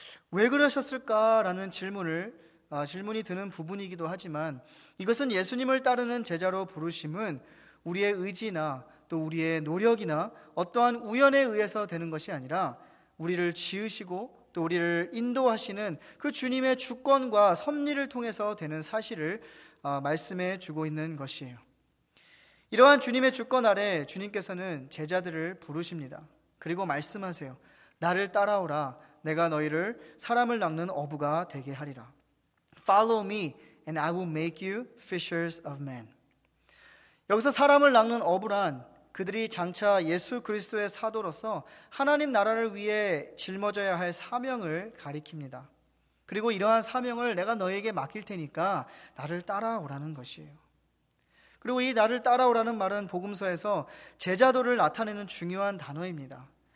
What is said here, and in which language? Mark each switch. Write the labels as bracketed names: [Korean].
[Korean] 왜 그러셨을까라는 질문이 드는 부분이기도 하지만 이것은 예수님을 따르는 제자로 부르심은 우리의 의지나 또 우리의 노력이나 어떠한 우연에 의해서 되는 것이 아니라 우리를 지으시고 또 우리를 인도하시는 그 주님의 주권과 섭리를 통해서 되는 사실을 말씀해 주고 있는 것이에요. 이러한 주님의 주권 아래 주님께서는 제자들을 부르십니다. 그리고 말씀하세요. 나를 따라오라. 내가 너희를 사람을 낚는 어부가 되게 하리라. [English] Follow me and I will make you fishers of men. [Korean] 여기서 사람을 낚는 어부란 그들이 장차 예수 그리스도의 사도로서 하나님 나라를 위해 짊어져야 할 사명을 가리킵니다. 그리고 이러한 사명을 내가 너에게 맡길 테니까 나를 따라오라는 것이에요. 그리고 이 나를 따라오라는 말은 복음서에서 제자도를 나타내는 중요한 단어입니다.